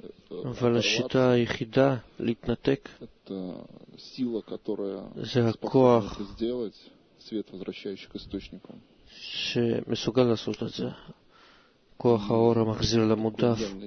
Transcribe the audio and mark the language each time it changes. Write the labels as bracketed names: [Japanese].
[Hebrew] אבל השיטה היחידה להתנתק [Russian] сила, которая [Hebrew] זה הכוח [Russian] сделать свет возвращающий к источнику, [Hebrew] שמסוגל לעשות את זה, כוח האור המחזיר למודף.